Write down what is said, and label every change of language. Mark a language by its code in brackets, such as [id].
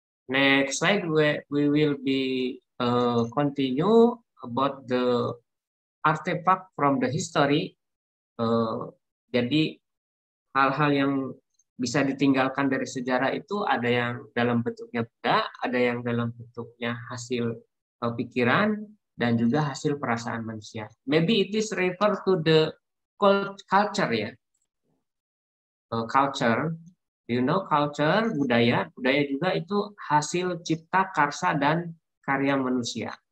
[en] Next slide we will be continue about the artifact from the history. [id] Jadi hal-hal yang bisa ditinggalkan dari sejarah itu ada yang dalam bentuknya benda, ada yang dalam bentuknya hasil pikiran, dan juga hasil perasaan manusia. [en] Maybe it is refer to the culture ya. Culture, you know, culture, budaya. [id] Budaya juga itu hasil cipta karsa dan karya manusia.